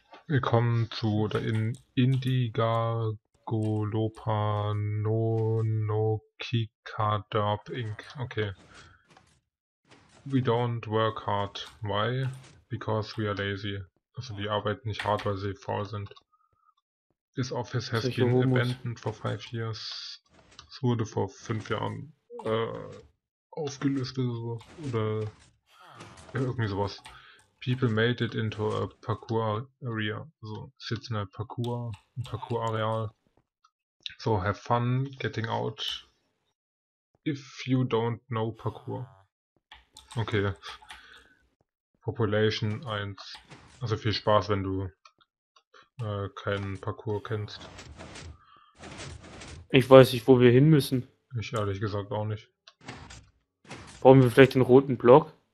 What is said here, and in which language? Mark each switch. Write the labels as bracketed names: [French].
[German] Willkommen zu oder in Indigagolopanonokikadab Inc. Okay. [English] We don't work hard. Why? Because we are lazy. [German] Also die arbeiten nicht hart, weil sie faul sind. [English] This office has been abandoned for 5 years. [German] Es wurde vor 5 Jahren aufgelöst oder irgendwie sowas. [English] People made it into a parkour area. [German] So, ist jetzt in ein parkour areal. [English] So, have fun getting out. If you don't know parkour. Okay. Population 1. [German] Also viel Spaß, wenn du keinen Parkour kennst. Ich weiß nicht, wo wir hin müssen. Ich ehrlich gesagt auch nicht. Brauchen wir vielleicht den roten Block?